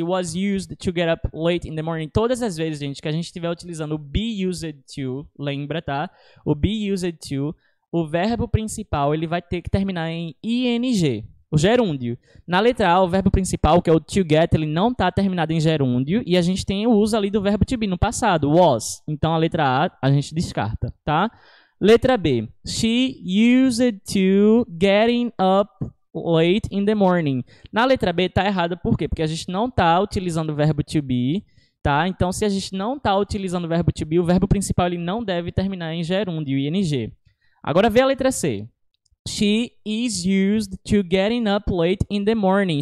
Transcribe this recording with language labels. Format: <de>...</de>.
<en>She was used to get up late in the morning.</en> <pt>Todas as vezes, gente, que a gente estiver utilizando o be used to, lembra, tá? O be used to, o verbo principal, ele vai ter que terminar em ing. O gerúndio. Na letra A, o verbo principal, que é o to get, ele não está terminado em gerúndio. E a gente tem o uso ali do verbo to be no passado, was. Então a letra A, a gente descarta, tá? Letra B.</pt> <en>She used to getting up late in the morning.</en> <pt>Na letra B, está errada, por quê? Porque a gente não está utilizando o verbo to be, tá? Então, se a gente não está utilizando o verbo to be, o verbo principal, ele não deve terminar em gerúndio, ing. Agora vê a letra C.</pt> <en>She is used to getting up late in the morning.</en>